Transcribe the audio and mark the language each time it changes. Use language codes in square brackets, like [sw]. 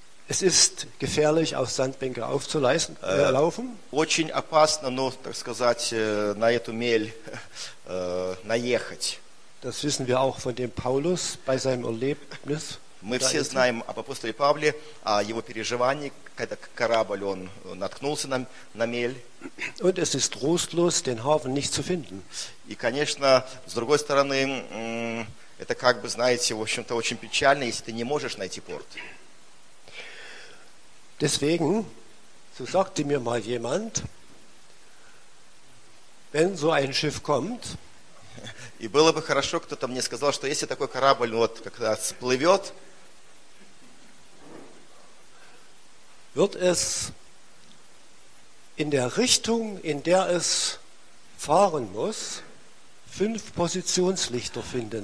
[de] Es ist gefährlich, auf Sandbänke aufzuleisten, laufen. [ru] Очень опасно, но, так сказать, на эту мель наехать. [de] Das wissen wir auch von dem Paulus bei seinem Erlebnis. [ru] Мы все знаем об апостоле Павле, о его переживании, когда корабль, он наткнулся на мель. [de] Und es ist trostlos, den Hafen nicht zu finden. [ru] И, конечно, с другой стороны, это как бы, знаете, в общем-то, очень печально, если ты не можешь найти порт. [de] Deswegen, so sagte mir mal jemand, wenn so ein Schiff kommt, [ru] и было бы хорошо, кто-то мне сказал, что если такой корабль вот когда всплывет, [de] wird es in der Richtung, in der es fahren muss, 5 Positionslichter finden.